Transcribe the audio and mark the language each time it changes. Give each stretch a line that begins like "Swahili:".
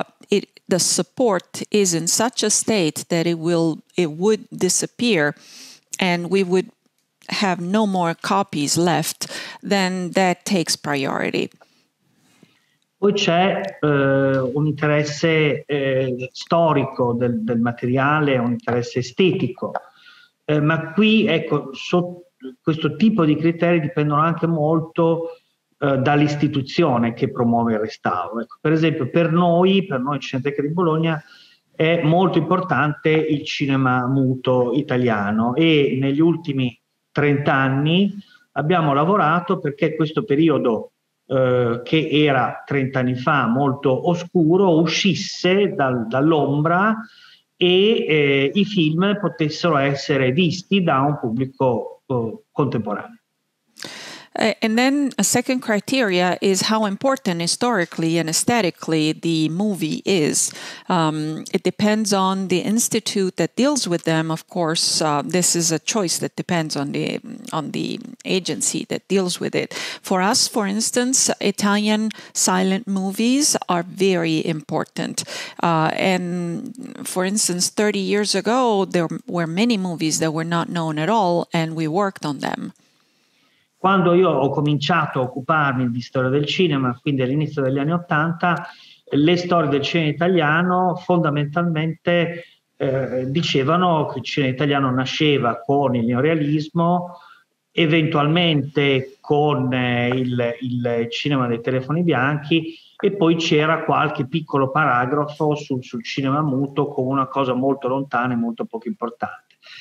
English: If the support is in such a state that it would disappear and we would have no more copies left, then that takes priority.
Italian: Poi c'è un interesse storico del materiale, un interesse estetico. Ma qui, ecco, questo tipo di criteri dipendono anche molto dall'istituzione che promuove il restauro. Ecco, per esempio, per noi Cinema di Bologna, è molto importante il cinema muto italiano e negli ultimi 30 anni abbiamo lavorato perché questo periodo, che era 30 anni fa molto oscuro, uscisse dall'ombra e i film potessero essere visti da un pubblico contemporaneo.
English: And then a second criteria is how important historically and aesthetically the movie is. It depends on the institute that deals with them. Of course, this is a choice that depends on the agency that deals with it. For us, for instance, Italian silent movies are very important. And for instance, 30 years ago, there were many movies that were not known at all, and we worked on them.
Italian: Quando io ho cominciato a occuparmi di storia del cinema, quindi all'inizio degli anni Ottanta, le storie del cinema italiano fondamentalmente dicevano che il cinema italiano nasceva con il neorealismo, eventualmente con il cinema dei telefoni bianchi, e poi c'era qualche piccolo paragrafo sul cinema muto con una cosa molto lontana e molto poco importante.